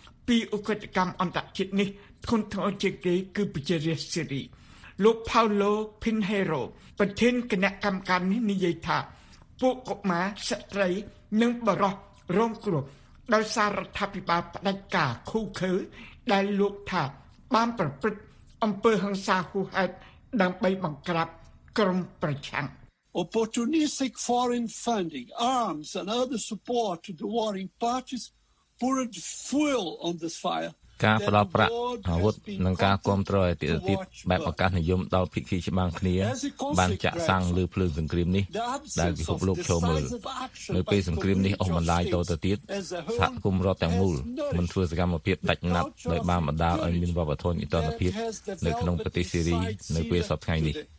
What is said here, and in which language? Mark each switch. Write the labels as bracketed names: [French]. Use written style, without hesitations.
[Khmer] ពីអង្គការកម្មអន្តរជាតិនេះធនធានជាគេគឺប្រជារាស្ត្រសេរីលោក Paulo Pinheiro ប្រធានគណៈកម្មការនេះនិយាយថាពួកកុមារស្ត្រីនិងបុរសរងគ្រោះដោយសាររដ្ឋាភិបាលផ្ដាច់ការឃោរឃៅដែលលោកថាបានប្រព្រឹត្តអំពើហិង្សាហួសហេតុដើម្បីបង្ក្រាបក្រុមប្រឆាំង [English] Opportunistic foreign funding, arms and other support to the warring parties poured fuel on this fire. [Khmer] ការផ្តល់ប្រាក់អាវុធនិងការគាំទ្រអតិថិទៀតបែបឱកាសនិយមដល់ភាគីច្បាំងគ្នាបានចាក់សាំងលើភ្លើងសង្គ្រាមនេះដែលពិភពលោកចូលមើលនៅពេលសង្គ្រាមនេះអស់បន្លាយតទៅទៀតសហគមន៍រដ្ឋទាំងមូលមិនធ្វើសកម្មភាពដាច់ណាត់ដោយបានបណ្តាលឲ្យមានវប្បធម៌អន្តរជាតិនៅក្នុងប្រទេសសេរីនៅពេលសប្តាហ៍នេះ